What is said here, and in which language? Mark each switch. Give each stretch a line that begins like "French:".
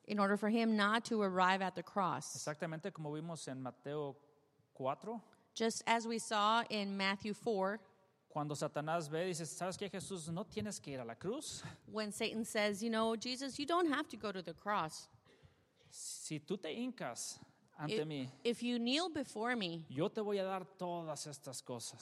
English: In order for him not to arrive at the cross.
Spanish: Exactamente como vimos en Mateo 4.
English: Just as we saw in Matthew 4.
Spanish: Cuando Satanás ve, dice, ¿sabes qué, Jesús? No tienes que ir a la cruz.
English: When Satan says, you know, Jesus, you don't have to go to the cross.
Spanish: Si tú te hincas ante mí.
English: If you kneel before me.
Spanish: Yo te voy a dar todas estas cosas.